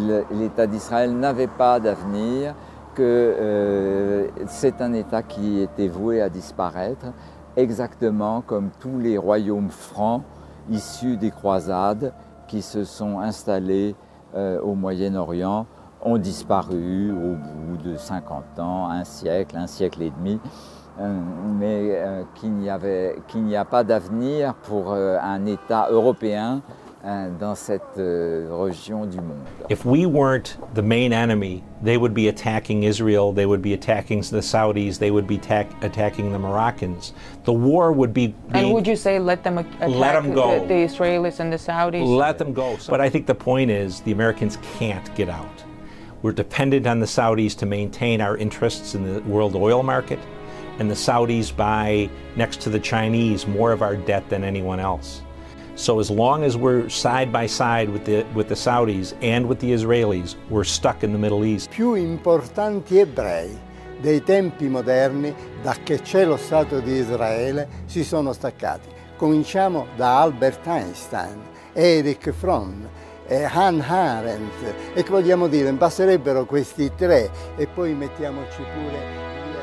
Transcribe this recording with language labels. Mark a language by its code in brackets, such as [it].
[fr] l'État d'Israël n'avait pas d'avenir, que c'est un État qui était voué à disparaître, exactement comme tous les royaumes francs issus des croisades qui se sont installés au Moyen-Orient ont disparu au bout de 50 ans, un siècle et demi, mais qu'il n'y a pas d'avenir pour un État européen dans cette région du monde. [en] If we weren't the main enemy, they would be attacking Israel, they would be attacking the Saudis, they would be attacking the Moroccans. The war would be And would you say let them attack let them go. The Israelis and the Saudis? Let them go. But I think the point is the Americans can't get out. We're dependent on the Saudis to maintain our interests in the world oil market, and the Saudis buy, next to the Chinese, more of our debt than anyone else. So as long as we're side by side with the Saudis and with the Israelis, we're stuck in the Middle East. [it] Più importanti ebrei dei tempi moderni, da che c'è lo Stato di Israele, si sono staccati. Cominciamo da Albert Einstein, Erich Fromm, Hannah Arendt, e che vogliamo dire, basterebbero questi tre, e poi mettiamoci pure...